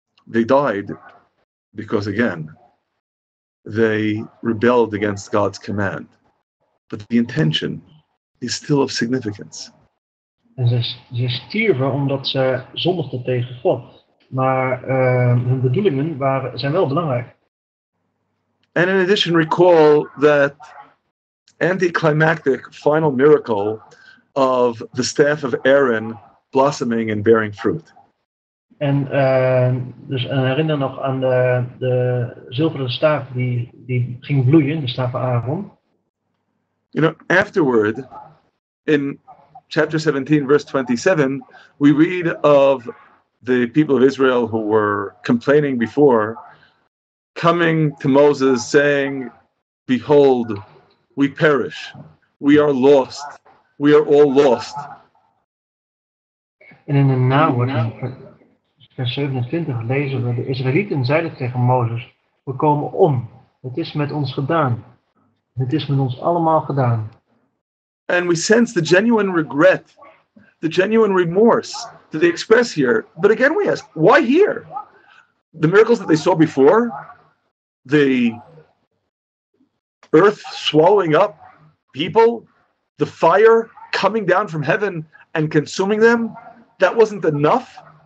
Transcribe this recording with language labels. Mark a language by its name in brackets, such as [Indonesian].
[English] They died because, again, they rebelled against God's command. But the intention is still of significance. [Dutch] En ze stierven omdat ze zondigden tegen God. Maar hun bedoelingen zijn wel belangrijk. [English] And in addition, recall that anticlimactic final miracle of the staff of Aaron blossoming and bearing fruit. [Dutch] En dus herinner nog aan de zilveren staaf die ging bloeien, de staaf van Aaron. [English] You know, afterward, in chapter 17, verse 27, we read of the people of Israel who were complaining before, coming to Moses saying, behold, we perish, we are lost, we are all lost. And in the now, [Dutch] vers 27, lezen we, de Israëlieten zeiden tegen Mozes, we komen om, het is met ons gedaan. Het is met ons allemaal gedaan. [English] And we sense the genuine regret, the genuine remorse that they express here. But again we ask, why here? The miracles that they saw before, the earth swallowing up people, the fire coming down from heaven and consuming them, that wasn't enough?